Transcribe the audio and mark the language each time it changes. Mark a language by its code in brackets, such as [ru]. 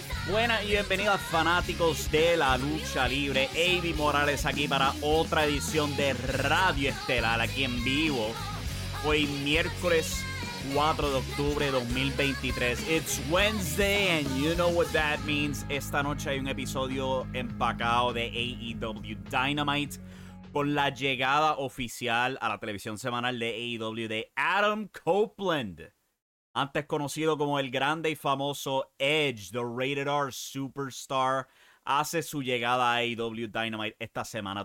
[es] Buenas y bienvenidas fanáticos de la lucha libre. Avi Morales aquí para otra edición de Radio Estelar aquí en vivo. Hoy miércoles 4 de octubre 2023. [en] It's Wednesday and you know what that means. [es] Esta noche hay un episodio empacado de AEW Dynamite con la llegada oficial a la televisión semanal de AEW de Adam Copeland. Antes conocido como el grande y famoso Edge, the Rated R Superstar, hace su llegada a AEW Dynamite esta semana.